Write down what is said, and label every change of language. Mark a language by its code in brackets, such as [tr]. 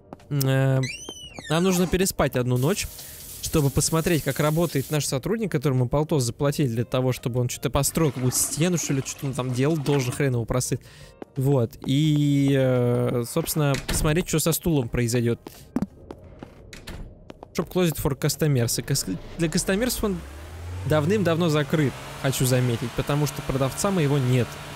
[ru] Нам нужно переспать одну ночь, чтобы посмотреть, как работает наш сотрудник, которому полтос заплатили для того, чтобы он что-то построил, как будто стену, что ли, что-то он там делал, должен хрен его просыт. Вот. И, собственно, посмотреть, что со стулом произойдет. [en] Shop closed for customers. [ru] Для customers он давным-давно закрыт, хочу заметить, потому что продавца моего нет.